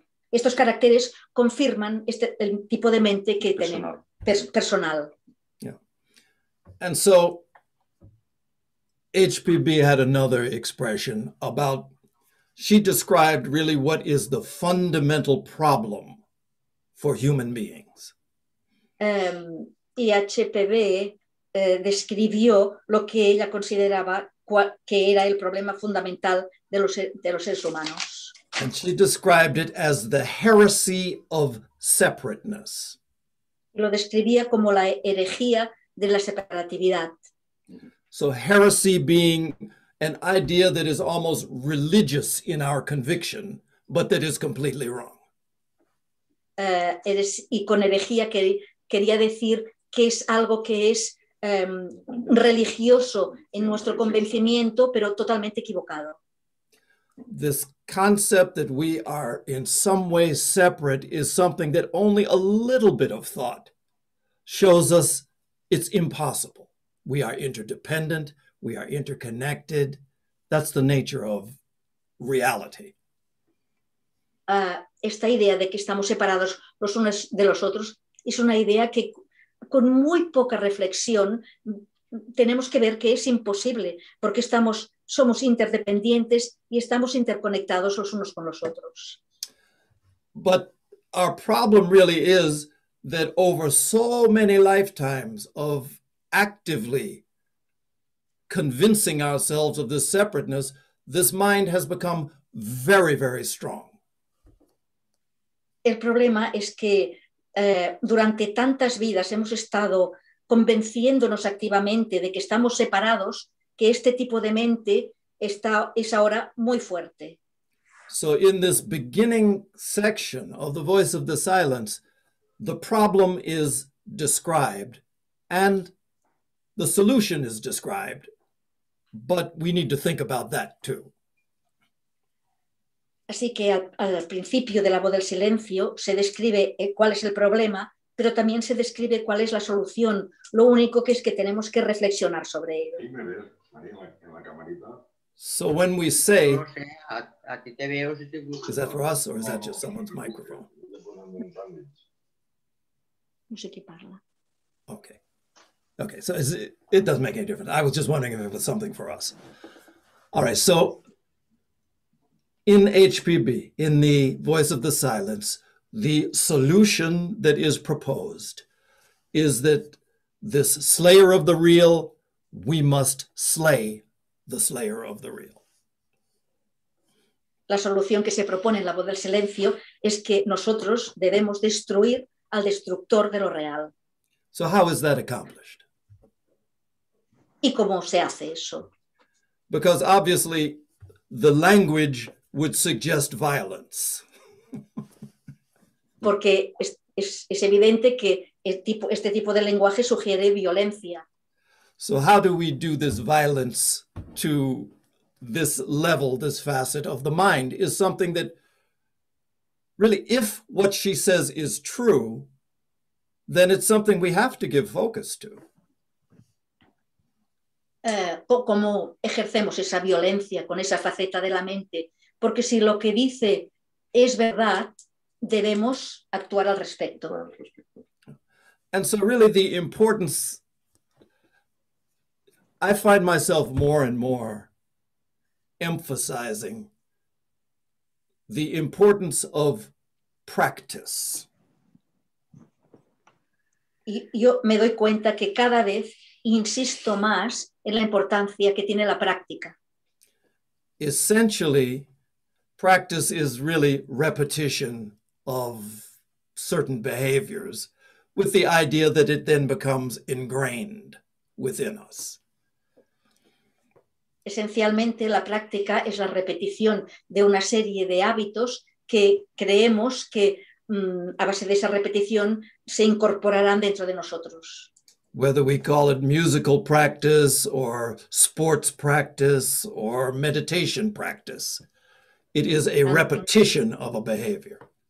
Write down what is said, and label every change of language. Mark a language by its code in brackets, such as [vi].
[es] Estos caracteres confirman el tipo de mente que personal. Tenemos personal. [en] Yeah. And so HPB had another expression about, she described really what is the fundamental problem for human beings. [es] Y HPB describió lo que ella consideraba que era el problema fundamental de los seres humanos. [en] And she described it as the heresy of separateness. [es] Lo describía como la herejía de la separatividad. [en] So heresy being an idea that is almost religious in our conviction, but that is completely wrong. [es] Y con herejía quería decir que es algo que es religioso en nuestro convencimiento, pero totalmente equivocado. [en] This concept that we are in some way separate is something that only a little bit of thought shows us it's impossible. We are interdependent, we are interconnected. That's the nature of reality. [es] Esta idea de que estamos separados los unos de los otros es una idea que con muy poca reflexión tenemos que ver que es imposible, porque somos interdependientes y estamos interconectados los unos con los otros. [en] But our problem really is that over so many lifetimes of actively convincing ourselves of this separateness, this mind has become very, very strong. [es] El problema es que durante tantas vidas hemos estado convenciéndonos activamente de que estamos separados, que este tipo de mente es ahora muy fuerte. [en] So in this beginning section of the Voice of the Silence, the problem is described and the solution is described, but we need to think about that too. [es] Así que al principio de la Voz del Silencio se describe cuál es el problema, pero también se describe cuál es la solución. Lo único que es que tenemos que reflexionar sobre ello. [en] So when we say, is that for us or is that just someone's microphone? [es] No sé qué parla. [en] Okay. Okay, so is it doesn't make any difference. I was just wondering if it was something for us. All right, so in HPB, in the Voice of the Silence, the solution that is proposed is that this slayer of the real, we must slay the slayer of the real. [es] La solución que se propone en la Voz del Silencio es que nosotros debemos destruir al destructor de lo real. [en] So how is that accomplished? [es] ¿Y cómo se hace eso? [en] Because obviously the language would suggest violence. [es] Porque es evidente que este tipo de lenguaje sugiere violencia. [en] So how do we do this violence to this level, this facet of the mind? Is something that really, if what she says is true, then it's something we have to give focus to. [es] ¿Cómo ejercemos esa violencia con esa faceta de la mente? Porque si lo que dice es verdad, debemos actuar al respecto. [en] And so really the importance, I find myself more and more emphasizing the importance of practice. [es] Y yo me doy cuenta que cada vez insisto más en la importancia que tiene la práctica. [en] Essentially, practice is really repetition of certain behaviors with the idea that it then becomes ingrained within us. [es] Esencialmente, la práctica es la repetición de una serie de hábitos que creemos que a base de esa repetición se incorporarán dentro de nosotros. [en] Whether we call it musical practice or sports practice or meditation practice, it is a repetition of a behavior.